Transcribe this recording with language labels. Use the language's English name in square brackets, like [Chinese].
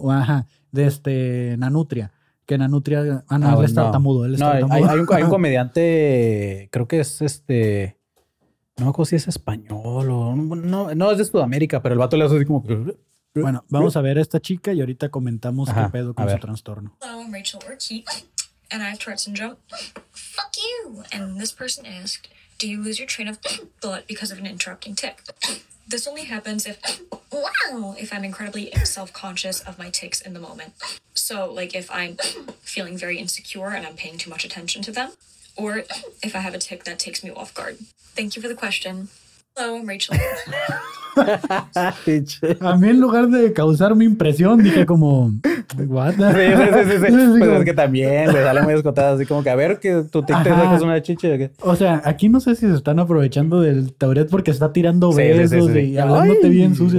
[Spanish] O, ajá, de este... Nanutria. Que Nanutria... Ah, no, él está tartamudo. Él está tartamudo. Hay un comediante... Creo que es este... No me acuerdo si es español o... No, es de Sudamérica, pero el vato le hace así como... Bueno, vamos a ver a esta chica y ahorita comentamos qué pedo con su trastorno. Hola, soy Rachel Ortiz. [English] And I have Tourette syndrome. Fuck you. And this person asked, do you lose your train of thought because of an interrupting tic? This only happens if I'm incredibly self-conscious of my tics in the moment. So like if I'm feeling very insecure and I'm paying too much attention to them, or if I have a tic that takes me off guard. Thank you for the question. Hello, I'm Rachel. [Spanish] A mí en lugar de causarme impresión, dije como... [English] ¿What? [Spanish] Sí. Pues es que también le sale muy escotada, así como que a ver que tu TikTok es una chiche. O sea, aquí no sé si se están aprovechando del Tourette porque está tirando besos y hablándote bien sucio.